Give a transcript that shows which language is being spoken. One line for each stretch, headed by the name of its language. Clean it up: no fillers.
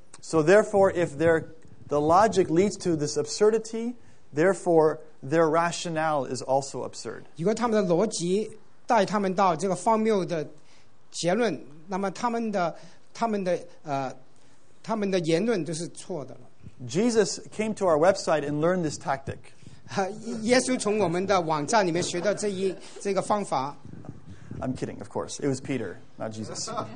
English: So therefore, if the logic leads to this absurdity, therefore their rationale is also absurd.
Chinese: 如果他们的逻辑带他们到这个荒谬的结论，那么他们的
English: Jesus came to our website and learned this tactic. I'm kidding, of course. It was Peter, not Jesus.